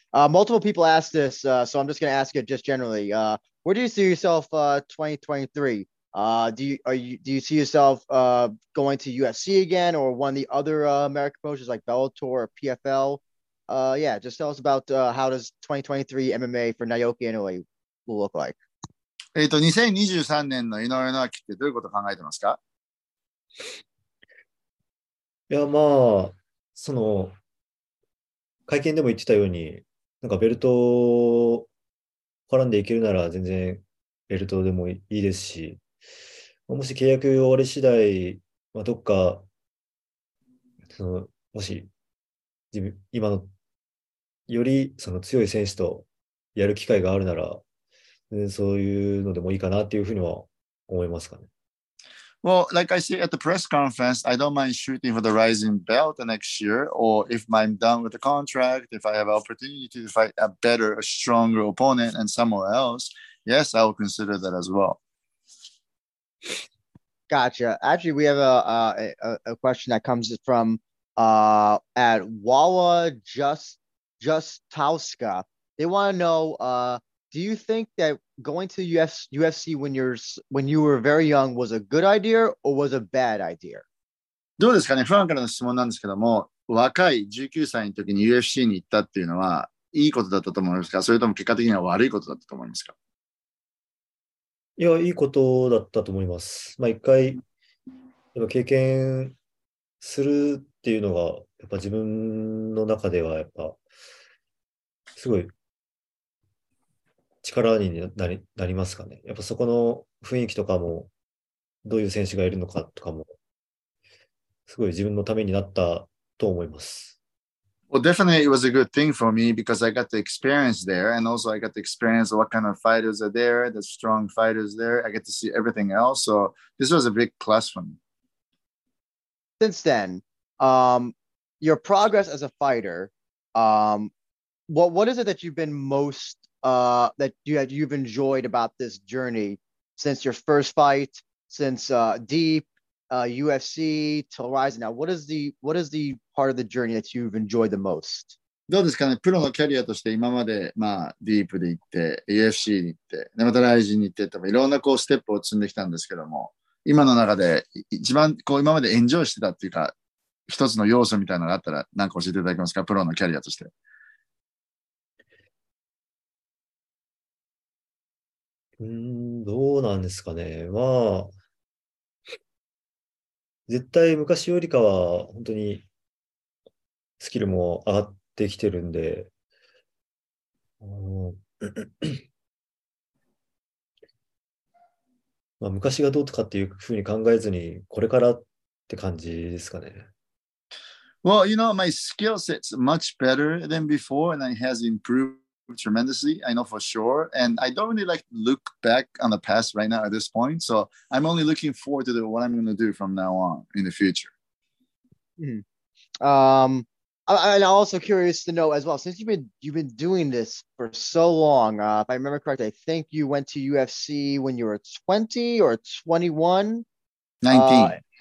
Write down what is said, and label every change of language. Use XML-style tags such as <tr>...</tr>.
<en>Multiple people asked this, so I'm just going to ask it just generally. Where do you see yourself 2023? Do you see yourself going to UFC again or one of the other American promotions like Bellator or PFL? Just tell us about how does 2023 MMA for Naoki Inoue will look like?</en> <ja>2023年の井上直樹ってどういうこと考えてますか？いや、まあ、その会見でも言ってたように、なんかベルト絡んでいけるなら全然ベルトでもいいですし、もし契約終わり次第、まあ、どっかそのもし自分今のよりその強い選手とやる機会があるなら、そういうのでもいいかなっていうふうには思いますかね。</ja> <en>Well, like I said at the press conference, I don't mind shooting for the Rising Belt next year, or if I'm done with the contract, if I have an opportunity to fight a better, a stronger opponent and somewhere else, yes, I will consider that as well. Gotcha. Actually, we have a question that comes from at Walla Just Tauska. They want to know, do you think that going to UFC when you were very young was a good idea or was a bad idea?</en> <ja>どうですかね。ファンからの質問なんですけども、若い19歳の時に UFC に行ったっていうのはいいことだったと思いますか、それとも結果的には悪いことだったと思いますか。いや、いいことだったと思います。まあ、一回やっぱ経験するっていうのがやっぱ自分の中ではやっぱすごい力になりますかね。やっぱそこの雰囲気とかも、どういう選手がいるのかとかも、すごい自分のためになったと思います。</ja> <en>Well, definitely it was a good thing for me because I got the experience there, and also I got the experience of what kind of fighters are there, the strong fighters there. I get to see everything else. So this was a big plus for me. Since then, your progress as a fighter, What is it that you've been most you've enjoyed about this journey since your first fight, since Deep, UFC till Rising? Now, what is the part of the journey that you've enjoyed the most?</en> <ja>どうですかね、プロのキャリアとして今まで、まあ、ディープで行って、UFC に行って、ね、またライジンに行って、いろんなこうステップを積んできたんですけども、今の中で一番こう今までエンジョイしてたっていうか、一つの要素みたいなのがあったら、何か教えていただけますか、プロのキャリアとして。どうなんですかね。まあ、絶対昔よりかは、本当に、スキルも上がってきてるんで、まあ、昔がどうとかっていうふうに考えずに、これからって感じですかね。</ja> <en>Well, you know, my skill set's much better than before, and it has improved tremendously, I know for sure. And I don't really like to look back on the past right now at this point, so I'm only looking forward to the, what I'm going to do from now on in the future. And I'm also curious to know as well, since you've been doing this for so long, if I remember correctly, I think you went to UFC when you were 20 or 21? 19.</en>